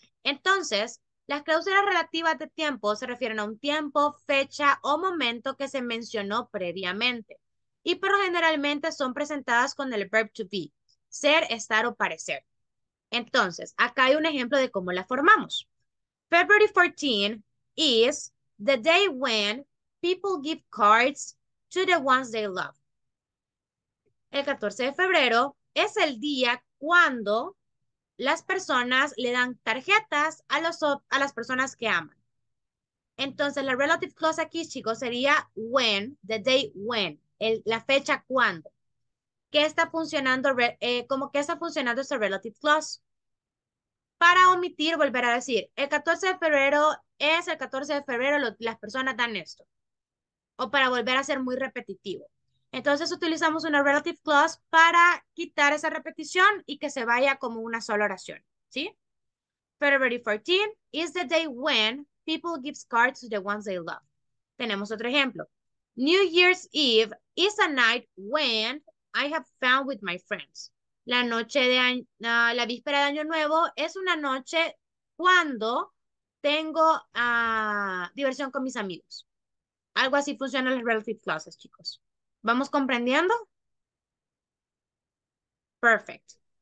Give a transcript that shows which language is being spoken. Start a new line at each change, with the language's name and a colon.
Spanish: Entonces, las cláusulas relativas de tiempo se refieren a un tiempo, fecha o momento que se mencionó previamente. Y pero generalmente son presentadas con el verb to be, ser, estar o parecer. Entonces, acá hay un ejemplo de cómo la formamos.
English: February 14 is the day when people give cards to the ones they love.
Spanish: El 14 de febrero es el día cuando las personas le dan tarjetas a las personas que aman. Entonces, la relative clause aquí, chicos, sería when, the day when. La fecha cuando. ¿Qué está funcionando? ¿Cómo que está funcionando ese relative clause? Para omitir, volver a decir, el 14 de febrero es el 14 de febrero, las personas dan esto. O para volver a ser muy repetitivo. Entonces utilizamos una relative clause para quitar esa repetición y que se vaya como una sola oración. ¿Sí?
English: February 14 is the day when people give cards to the ones they love.
Spanish: Tenemos otro ejemplo.
English: New Year's Eve is a night when I have fun with my friends.
Spanish: La noche de año, la víspera de Año Nuevo es una noche cuando tengo diversión con mis amigos. Algo así funcionan las relative clauses, chicos. ¿Vamos comprendiendo?
English: Perfect.